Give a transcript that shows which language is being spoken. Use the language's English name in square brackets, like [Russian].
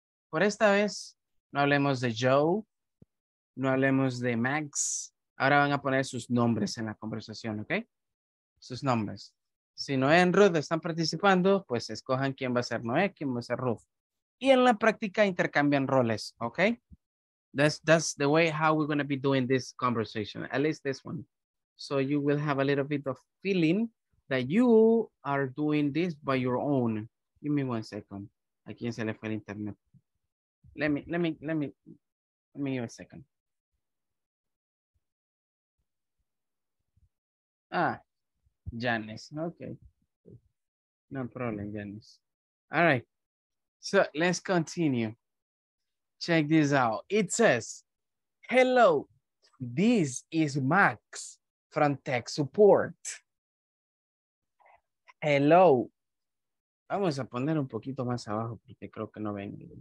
[Spanish] Por esta vez, no hablemos de Joe, no hablemos de Max. Ahora van a poner sus nombres en la conversación, okay? Sus nombres. Si Noé y Ruth están participando, pues escojan quién va a ser Noé, quién va a ser Ruth. Y en la práctica intercambian roles, okay? [English] That's the way how we're going to be doing this conversation, at least this one. So you will have a little bit of feeling that you are doing this by your own. Give me one second. [Spanish] ¿A quién se le fue el internet? [English] Let me give a second. Ah, Janice. Okay. No problem, Janice. All right. So let's continue. Check this out. It says, hello, this is Max from tech support. Hello. [Spanish] Vamos a poner un poquito más abajo porque creo que no ven.